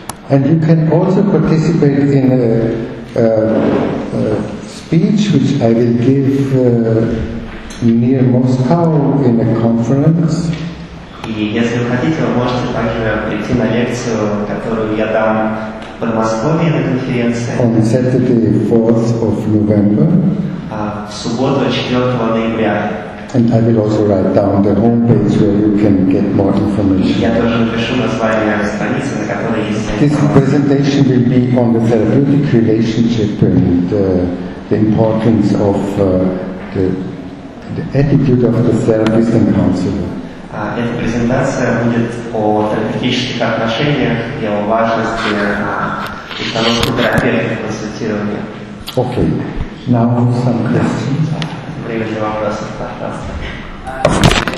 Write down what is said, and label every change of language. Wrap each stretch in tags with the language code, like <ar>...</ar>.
<en>And you can also participate in a speech which I will give near Moscow in a conference.</en> <ru>И если вы хотите, вы можете также прийти на лекцию, которую я дам в Подмосковье на конференции.</ru> <en>On Saturday, 4th of November.</en> <ru>В субботу, 4 ноября.</ru> <en>And I will also write down the homepage where you can get more information.</en> <ru>Я тоже напишу название страницы, на которой есть.</ru> <en>This presentation will be on the therapeutic relationship and the importance of the attitude of the therapist and counselor.</en> <ru>Эта презентация будет о терапевтических отношениях и о важности установки терапевта в консультировании.</ru> <en>Okay. Now some questions.</en> <ru>Время для вопросов, пожалуйста.</ru>